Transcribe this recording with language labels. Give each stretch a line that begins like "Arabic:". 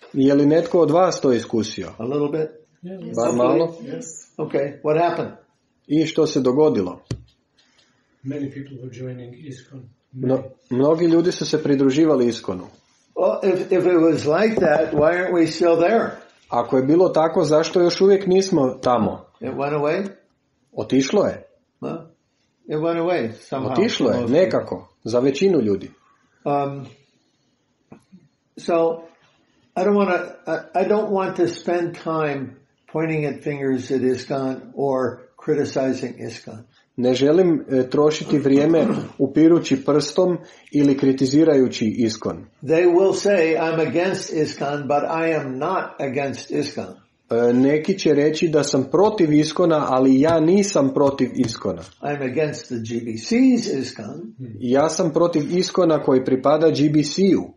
Croatian: Je li netko od vas to iskusio?
English: A little bit? Yes.
Croatian: Bar malo?
English: Yes. Okay, what happened?
Croatian: I što se dogodilo?
English: Many people were joining ISKCON.
Croatian: Mnogi ljudi su se pridruživali ISKCON-u.
English: Well, if it was like that, why aren't we still there?
Croatian: Ako je bilo tako, zašto još uvijek nismo tamo?
English: It went away?
Croatian: Otišlo je.
English: It went away somehow.
Croatian: Otišlo je, nekako, za većinu ljudi.
English: So I don't want to spend time pointing at fingers at ISKCON or criticizing ISKCON.
Croatian: Ne želim trošiti vrijeme upirući prstom ili kritizirajući ISKCON.
English: They will say I'm against ISKCON, but I am not against ISKCON.
Croatian: Neki će reći da sam protiv ISKCON-a, ali ja nisam protiv ISKCON-a.
English: I'm against the GBC's ISKCON.
Croatian: Ja sam protiv ISKCON-a koji pripada GBC-u.